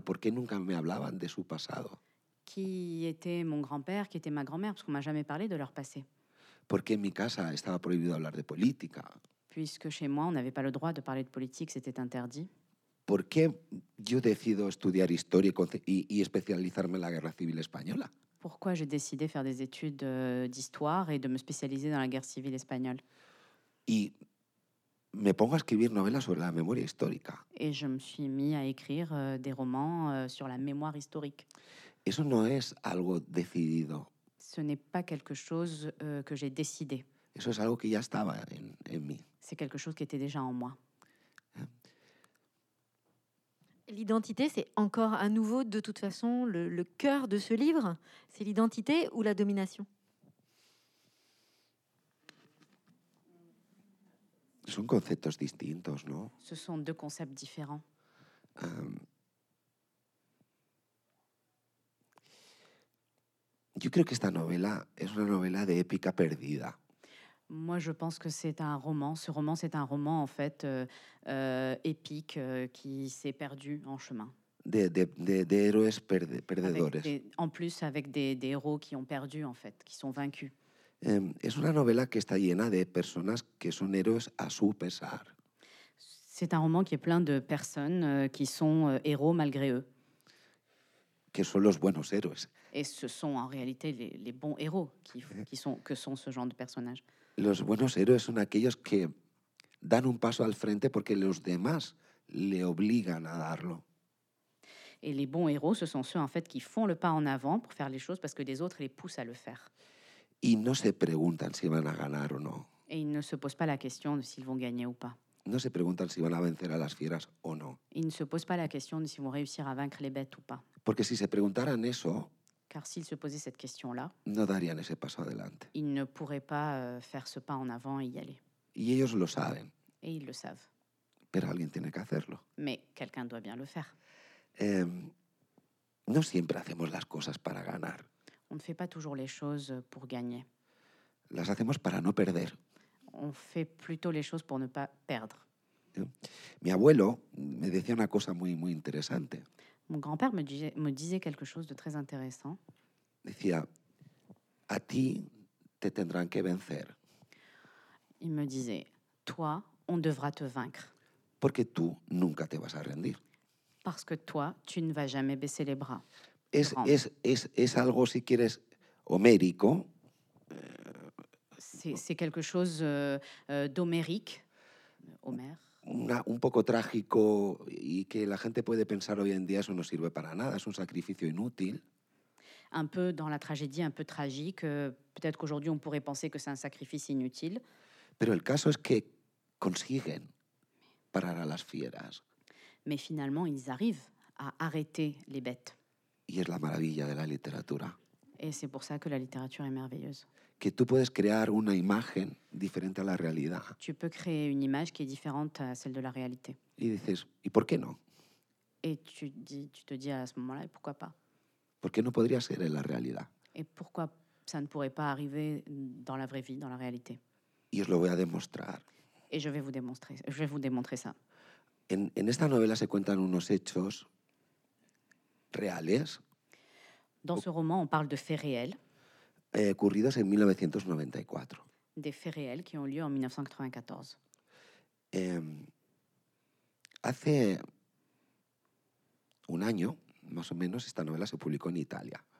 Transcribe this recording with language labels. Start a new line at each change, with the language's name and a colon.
Spanish: ¿Por qué nunca me hablaban de su pasado?
French: Qui était mon grand-père? Qui était ma grand-mère? Parce qu'on ne m'a jamais parlé de leur passé.
Spanish: Porque en mi casa estaba prohibido hablar de política.
French: Puisque chez moi on n'avait pas le droit de parler de politique, c'était interdit.
Spanish: ¿Por qué yo decido estudiar historia y especializarme en la guerra civil española?
French: Pourquoi j'ai décidé faire des études d'histoire et de me spécialiser dans la guerre civile espagnole?
Spanish: Y me pongo a escribir novelas sobre la memoria histórica.
French: Et je me suis mis à écrire des romans sur la mémoire historique.
Spanish: Eso no es algo decidido.
French: Ce n'est pas quelque chose que j'ai décidé.
Spanish: Eso es algo que ya estaba en mí.
French: C'est quelque chose qui était déjà en moi. L'identité, c'est encore à nouveau, de toute façon, le cœur de ce livre. C'est l'identité ou la domination ?
Spanish: Son conceptos distintos, ¿no?
French: Ce sont deux concepts différents.
Spanish: Yo creo que esta novela es una novela de épica perdida.
French: Moi, je pense que c'est un roman. Ce roman, c'est un roman, en fait, épique, qui s'est perdu en chemin.
Spanish: De héros perdedores.
French: En plus, avec des héros qui ont perdu, en fait, qui sont vaincus.
Spanish: Es una novela que está llena de personas que son héroes a su pesar.
French: C'est un roman qui est plein de personnes qui sont héros malgré eux.
Spanish: Que son los buenos héroes.
French: Et ce sont en réalité les bons héros qui sont ce genre de personnages.
Spanish: Los buenos héroes son aquellos que dan un paso al frente porque los demás le obligan a darlo.
French: Et les bons héros, ce sont ceux en fait qui font le pas en avant pour faire les choses parce que les autres les poussent à le faire.
Spanish: Y no se preguntan si van a ganar o no.
French: Et ils ne se posent pas la question de s'ils vont gagner ou pas.
Spanish: No se preguntan si van a vencer a las fieras o no.
French: Ils ne se posent pas la question de s'ils vont réussir à vaincre les bêtes ou pas.
Spanish: Porque si se preguntaran eso,
French: car s'ils se posaient cette question-là,
Spanish: no darían ese paso adelante.
French: Ils ne pourraient pas faire ce pas en avant et y aller.
Spanish: Y ellos lo saben.
French: Et ils le savent.
Spanish: Pero alguien tiene que hacerlo.
French: Mais quelqu'un doit bien le faire.
Spanish: No siempre hacemos las cosas para ganar.
French: On ne fait pas toujours les choses pour gagner.
Spanish: Las hacemos para no perder.
French: On fait plutôt les choses pour ne pas perdre.
Spanish: Mi abuelo me decía una cosa muy, muy interesante.
French: Mon grand-père me disait quelque chose de très intéressant.
Spanish: Decía, a ti te tendrán que vencer.
French: Il me disait, toi, on devra te vaincre.
Spanish: Porque tú nunca te vas a rendir.
French: Parce que toi, tu ne vas jamais baisser les bras.
Spanish: Es algo, si quieres, homérico.
French: C'est quelque chose d'homérique, Homer.
Spanish: Un poco trágico y que la gente puede pensar hoy en día, eso no sirve para nada, es un sacrificio inútil.
French: Un peu dans la tragédie, un peu tragique, peut-être qu'aujourd'hui on pourrait penser que c'est un sacrifice inutile.
Spanish: Pero el caso es que consiguen parar a las fieras.
French: Mais finalement, ils arrivent à arrêter les bêtes.
Spanish: Y es la maravilla de la literatura.
French: Et c'est pour ça que la littérature est merveilleuse.
Spanish: Que tú puedes crear una imagen diferente a la realidad.
French: Tu peux créer une image qui est différente à celle de la réalité.
Spanish: Y dices, ¿y por qué no?
French: Et tu te dis à ce moment-là, et pourquoi pas?
Spanish: ¿Por qué no podría ser en la realidad?
French: Et pourquoi ça ne pourrait pas arriver dans la vraie vie, dans la réalité?
Spanish: Y os lo voy a demostrar.
French: Et je vais vous démontrer ça.
Spanish: En esta novela se cuentan unos hechos reales.
French: Dans ce roman, on parle de faits réels.
Spanish: Ocurridos en 1994.
French: Des faits réels qui ont lieu en 1994.
Spanish: Hace un año, más o menos, esta novela se publicó en Italia.